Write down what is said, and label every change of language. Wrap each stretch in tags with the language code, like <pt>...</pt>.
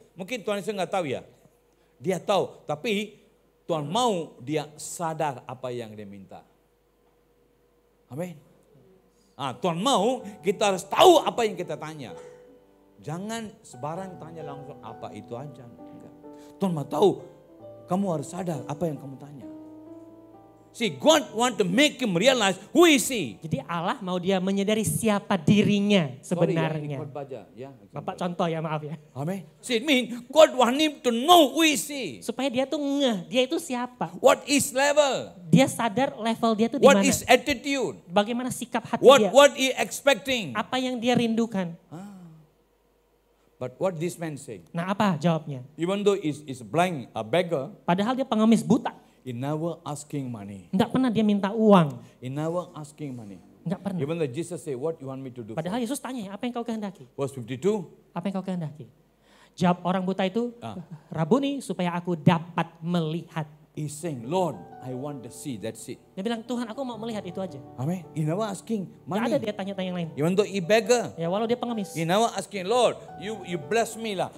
<id>Mungkin Tuhan Yesus enggak tahu ya. Dia tahu, tapi Tuhan mau dia sadar apa yang dia minta. Amin. Ah, Tuhan mau kita harus tahu apa yang kita tanya. Jangan sebarang tanya langsung apa itu aja. Enggak. Tuhan mau tahu, kamu harus sadar apa yang kamu tanya.</id> <en>See, God want to make him realize who is he.</en> <id>Jadi Allah mau dia menyadari siapa dirinya sebenarnya. Sorry, ya, ya, Bapak contoh ya, maaf ya.</id> <en>Amen. See, it mean God want him to know who is he.</en> <id>Supaya dia tuh ngeh, dia itu siapa.</id> <en>What is level?</en> <id>Dia sadar level dia tuh</id> <en>what</en> <id>dimana.</id> <en>What is attitude?</en> <id>Bagaimana sikap hati</id> <en>what,</en> <id>dia.</id> <en>What he expecting?</en> <id>Apa yang dia rindukan.</id> <en>But what this man say?</en> <id>Nah, apa jawabnya?</id> <en>Even though is blind, a beggar.</en> <id>Padahal dia pengemis buta.</id> <en>He never asking money.</en> <id>Enggak pernah dia minta uang.</id> <en>He never asking money.</en> <id>Enggak pernah.</id> <en>Even though Jesus say, what you want me to do?</en> <id>Padahal Yesus tanya, apa yang kau kehendaki?</id> <en>Verse 52.</en> <id>Apa yang kau kehendaki? Jawab orang buta itu, Rabuni, supaya aku dapat melihat.</id> <en>He saying, Lord, I want to see. That's it.</en> <id>Dia bilang, Tuhan, aku mau melihat itu aja.</id> <en>Amen. He never asking money.</en> <id>Enggak ada dia tanya-tanya yang lain.</id> <en>Even though he beggar.</en> <id>Ya, walau dia pengemis.</id> <en>He never asking, Lord, you bless me lah.</en>